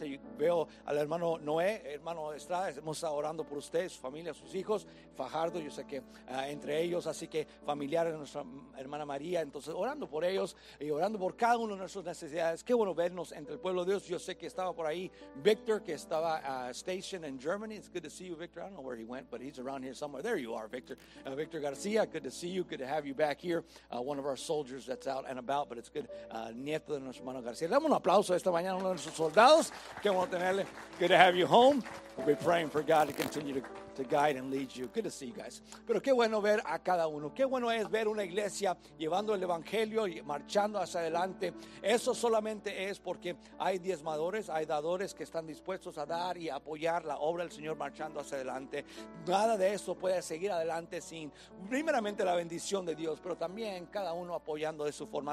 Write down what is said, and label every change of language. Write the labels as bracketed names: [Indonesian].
[Spanish] Y veo al hermano Noé, hermano Estrada, hemos estado orando por usted, su familia, sus hijos, Fajardo, yo sé que entre ellos, así que familiares, nuestra hermana María, entonces orando por ellos y orando por cada uno de nuestras necesidades. Qué bueno vernos entre el pueblo de Dios. Yo sé que estaba por ahí Victor, que estaba [English] stationed in Germany. It's good to see you, Victor. I don't know where he went, but he's around here somewhere. There you are, Victor. Victor Garcia, good to see you. Good to have you back here. One of our soldiers that's out and about, but it's good. [Spanish] Nieto de nuestro hermano García. Damos un aplauso esta mañana a uno de nuestros soldados. Qué bueno tenerle. [English] Good to have you home. We'll be praying for God to continue to guide and lead you. Good to see you guys. [Spanish] Pero qué bueno ver a cada uno. Qué bueno es ver una iglesia llevando el evangelio y marchando hacia adelante. Eso solamente es porque hay diezmadores, hay dadores que están dispuestos a dar y apoyar la obra del Señor marchando hacia adelante. Nada de eso puede seguir adelante sin primeramente la bendición de Dios, pero también cada uno apoyando de su forma.